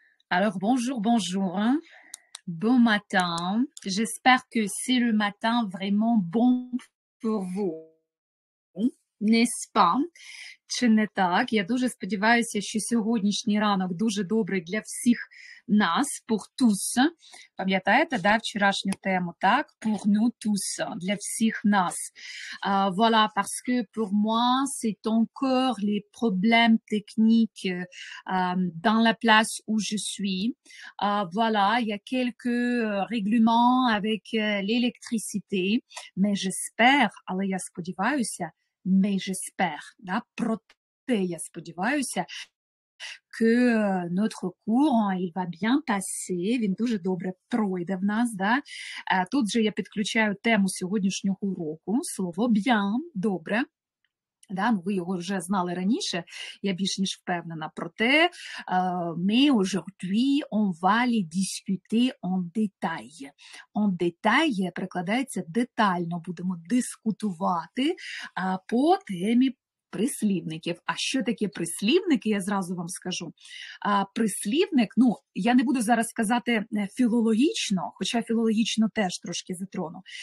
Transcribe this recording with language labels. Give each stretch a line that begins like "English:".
French: Alors bonjour, bonjour, hein. Bon matin. J'espère que c'est le matin vraiment bon pour vous, n'est-ce pas?
Ukrainian: Чи не так? Я дуже сподіваюся, що сьогоднішній ранок дуже добрий для всіх нас,
French: pour tous.
Ukrainian: Пам'ятаєте, да, вчорашню тему, так?
French: Pour nous tous,
Ukrainian: для всіх нас.
French: Voilà, parce que pour moi, c'est encore les problèmes techniques dans la place où je suis. Voilà, il y a quelques règlements avec l'électricité, mais j'espère,
Ukrainian: але я сподіваюся,
French: mais j'espère, да,
Ukrainian: проте я сподіваюся,
French: que notre cours, il va bien passer,
Ukrainian: він дуже добре пройде в нас,
French: да.
Ukrainian: Тут же я підключаю тему сьогоднішнього уроку, слово «bien», добре. Да, ви його вже знали раніше, я більш ніж впевнена. Проте, ми
French: aujourd'hui, on va les discuter en détail. En détail
Ukrainian: прикладається детально, будемо дискутувати по темі прислівників. А що таке прислівники, я зразу вам скажу. Прислівник, ну, я не буду зараз казати філологічно, хоча філологічно теж трошки затрону.